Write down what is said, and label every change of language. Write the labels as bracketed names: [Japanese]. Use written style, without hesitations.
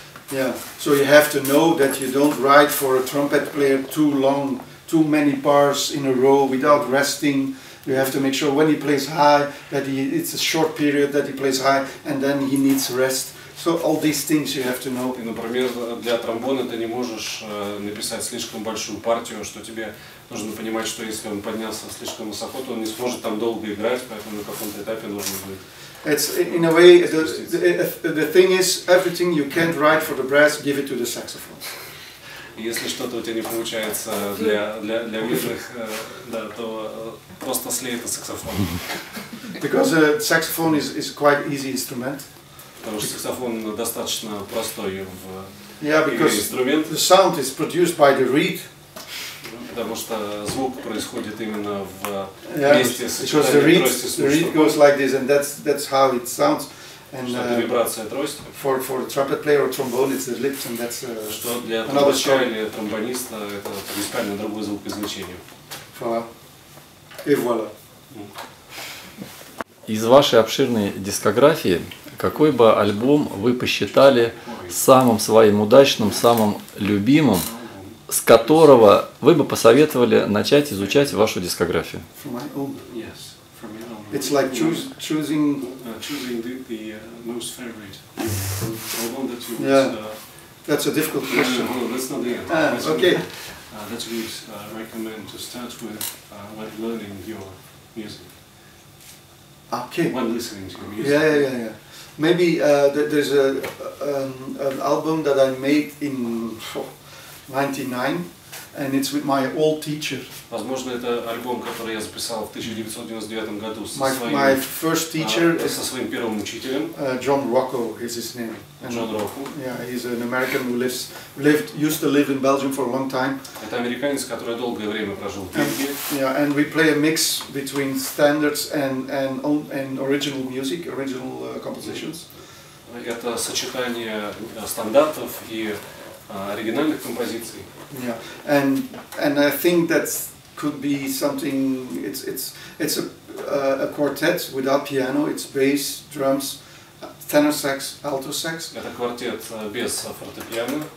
[English] Yeah, so you have to know that you don't write for a trumpet player too long, too many bars in a row without resting. You have to make sure when he plays high that it's a short period that he plays high, and then he needs rest. So all these things you have to know. [Russian] И, например, для тромбона ты не можешь написать слишком большую партию, что тебе нужно понимать, что если он поднялся слишком высоко, то он не сможет там долго играть, поэтому на каком-то этапе должен быть. [English] It's in a way the thing is everything you can't write for the brass, give it to the saxophone. [Russian] Если что-то у тебя не получается для вифлях, да, то просто слей это саксофон. [English] Because a saxophone is quite easy instrument. [Russian] Потому что саксофон достаточно простой в инструмент. [English] The sound is produced by the reed. [Russian] Потому что звук происходит именно в месте сочетания трости с мышцом. [English] The reed goes like this, and that's how it sounds. And [Russian] вибрация трости. [English] For trumpet player or trombone, it's the lips, and that's [Russian] что для трубача или тромбониста это принципиально другой звук и значение. [French] Voilà. Et voilà. [Russian] Из вашей обширной дискографии какой бы альбом вы посчитали самым своим удачным, самым любимым, с которого вы бы посоветовали начать изучать вашу дискографию? [English] From my own? Yes, from your own. It's like choosing the most favorite album that you That's a difficult question. No, that's not the answer. Okay. That we recommend to start with when learning your music. Okay. When listening to your music. Yeah. Maybe there's an album that I made in 1999, and it's with my old teacher. [Russian] Возможно, это альбом, который я записал в 1999 году со своим. [English] My first teacher is [Russian] со своим первым учителем. [English] John Rocco is his name. John Rocco. Yeah, he's an American who used to live in Belgium for a long time. [Russian] Это американец, который долгое время прожил в Бельгии. [English] Yeah, and we play a mix between standards and original music, original compositions. [Russian] Это сочетание стандартов и оригинальных композиций. [English] Yeah, and I think that could be something. It's a quartet without piano. It's bass, drums, tenor sax, alto sax. [Russian] Это квартет без фортепиано.